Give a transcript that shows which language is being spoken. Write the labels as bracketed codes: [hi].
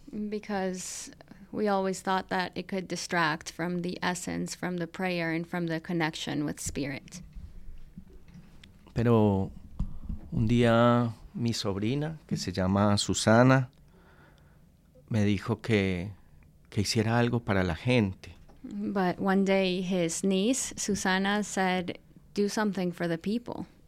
[en] Because we always thought that it could distract from the essence, from the prayer, and from the connection with spirit. [es] Pero un día mi sobrina, que se llama Susana, me dijo que hiciera algo para la gente. [en] But one day his niece, Susana, said, do something for the people.